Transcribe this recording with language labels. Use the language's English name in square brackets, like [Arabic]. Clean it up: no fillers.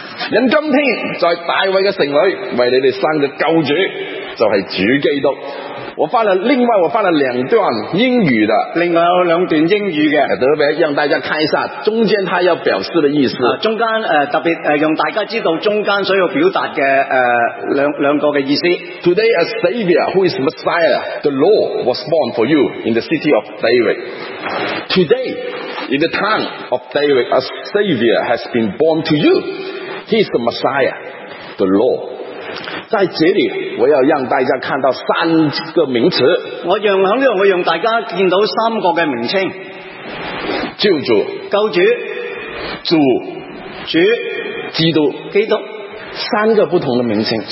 [Chinese] 人今天在大卫的城里为你们生的救主就是主基督。我发了，另外我发了两段英语的，另外有两段英语的，特别让大家看一下中间他要表示的意思。中间特别让大家知道中间所要表达的两个的意思。 [English] Today a savior who is Messiah, the Lord was born for you in the city of David. Today, in the town of David, a savior has been born to you. He is the Messiah, the Lord. [Chinese] 在这里我要让大家看到三个名词，我让在这里我让大家见到三个的名称，救主，救主，主，主，基督，基督，三个不同的名称，